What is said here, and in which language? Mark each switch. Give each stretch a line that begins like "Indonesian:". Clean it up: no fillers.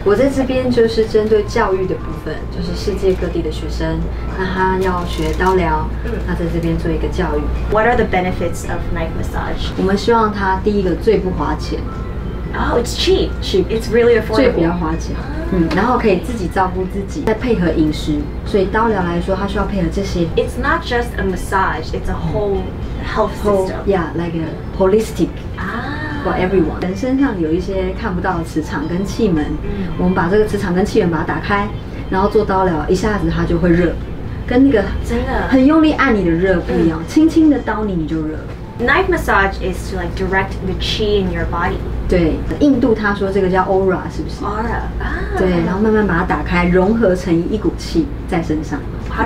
Chinese: 我在这边就是针对教育的部分，就是世界各地的学生，那他要学刀疗，那在这边做一个教育。
English: What are the benefits of knife massage?
Chinese: 我们希望他第一个最不花钱
English: Oh, it's cheap! Cheap! It's really affordable!
Chinese: 最不要花钱 然后可以自己照顾自己，再配合饮食，所以刀疗来说，它需要配合这些。
English: It's not just a massage, it's a whole health system. Yeah, like a holistic for everyone.
Chinese: 人身上有一些看不到的磁场跟气门，我们把这个磁场跟气门把它打开，然后做刀疗，一下子它就会热，跟那个很用力按你的热不一样，轻轻的刀你就热。
English: Knife massage is to like direct the chi in your body.
Chinese: 对，印度他说这个叫 aura 是不是？
English: Aura.
Chinese: 对，然后慢慢把它打开，融合成一股气在身上。How